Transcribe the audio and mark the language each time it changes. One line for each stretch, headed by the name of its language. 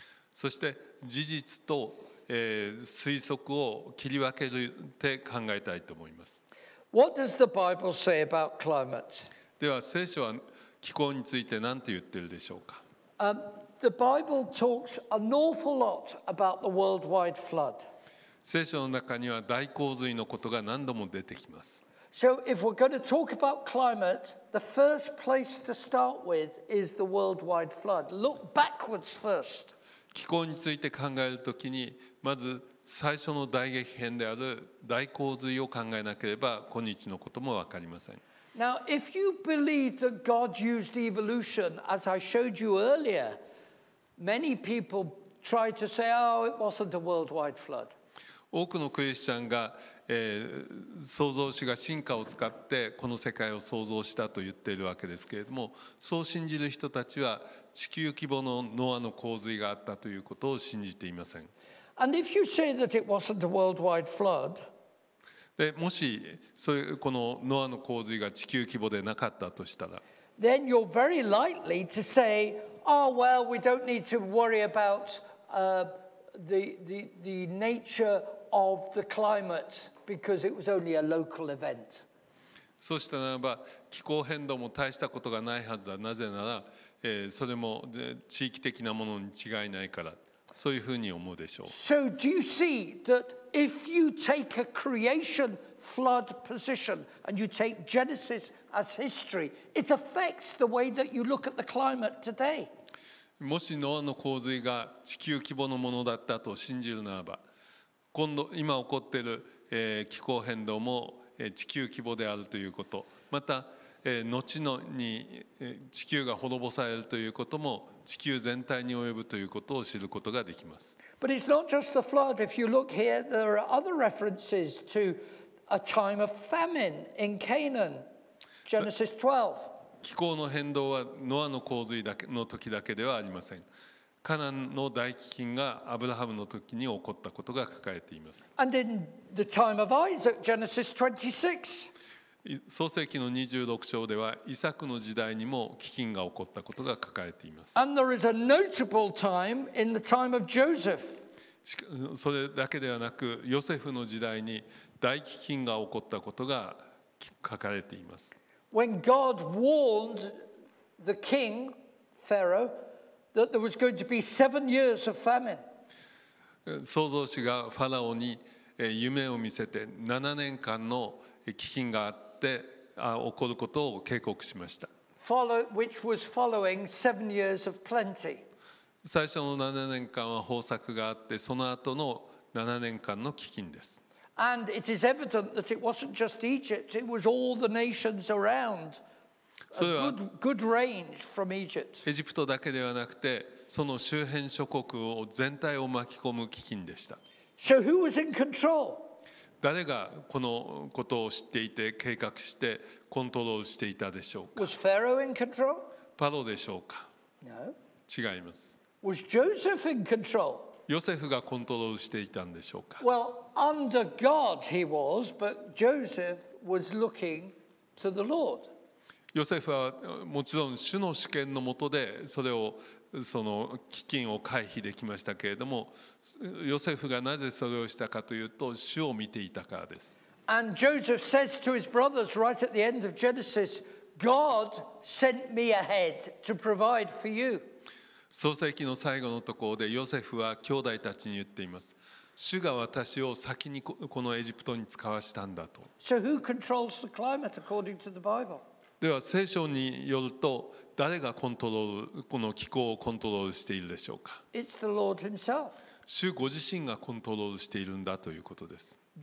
Japanese: そして事実と推測を切り分けて考えたいと思います。
English: What does the Bible say about climate?
Japanese: では聖書は気候について何と言っているでしょうか。
English: The Bible talks an awful lot about the worldwide flood.
Japanese: 聖書の中には大洪水のことが何度も出てきます。
English: So if we're going to talk about climate, the first place to start with is the worldwide flood. Look backwards first.
Japanese: 気候について考えるときに、まず最初の大激変である大洪水を考えなければ、今日のことも分かりません。
English: Now, if you believe that God used evolution, as I showed you earlier, many people try to say, oh, it wasn't a worldwide flood.
Japanese: 多くのクリスチャンが、創造主が進化を使ってこの世界を創造したと言っているわけですけれども、そう信じる人たちは、地球規模のノアの洪水があったということを信じていません。
English: And if you say that it wasn't a worldwide flood,
Japanese: でもしそれこのノアの洪水が地球規模でなかったとしたら、
English: then you're very likely to say, oh well, we don't need to worry about the nature of the climate because it was only a local event.
Japanese: そうしたならば気候変動も大したことがないはずだ。なぜなら。それも地域的なものに違いないからそういうふうに思うでしょう。
English: So do you see that if you take a creation flood position and you take Genesis as history, it affects the way that you look at the climate today.
Japanese: もしノアの洪水が地球規模のものだったと信じるならば、今起こっている気候変動も地球規模であるということ、また後のに地球が滅ぼされるということも地球全体に及ぶということを知ることができます。
English: But it's not just the flood. If you look here, there are other references to a time of famine in Canaan, Genesis 12.
Japanese: 気候の変動はノアの洪水の時だけではありません。カナンの大飢饉がアブラハムの時に起こったことが書かれています。
English: And in the time of Isaac, Genesis 26.
Japanese: 創世記の26章ではイサクの時代にも飢饉が起こったことが書かれています。
English: And there is a notable time in the time of Joseph.
Japanese: それだけではなくヨセフの時代に大飢饉が起こったことが書かれています。
English: When God warned the king, Pharaoh, that there was going to be 7 years of famine.
Japanese: 創造主がファラオに夢を見せて7年間の飢饉があって起こることを警告しました。
English: Which was following 7 years of plenty.
Japanese: 最初の7年間は豊作があって、その後の7年間の飢饉です。
English: And it is evident that it wasn't just Egypt; it was all the nations around. A good range from Egypt.
Japanese: エジプトだけではなくて、その周辺諸国を全体を巻き込む飢饉でした。
English: So who was in control?
Japanese: 誰がこのことを知っていて計画してコントロールしていたでしょうか。
English: Was Pharaoh in control?
Japanese: パロでしょうか。
English: No.
Japanese: 違います。
English: Was Joseph in control?
Japanese: ヨセフがコントロールしていたんでしょうか。
English: Well, under God he was, but Joseph was looking to the Lord.
Japanese: ヨセフはもちろん主の主権の下でそれをその飢饉を回避できましたけれども、ヨセフがなぜそれをしたかというと主を見ていたからです。
English: And Joseph says to his brothers right at the end of Genesis, God sent me ahead to provide for you.
Japanese: 創世記の最後のところでヨセフは兄弟たちに言っています。主が私を先にこのエジプトに使わしたんだと。
English: So who controls the climate according to the Bible?
Japanese: では聖書によると誰がコントロール、この気候をコントロールしているでしょうか。
English: It's the Lord himself.
Japanese: 主ご自身がコントロールしているんだということです。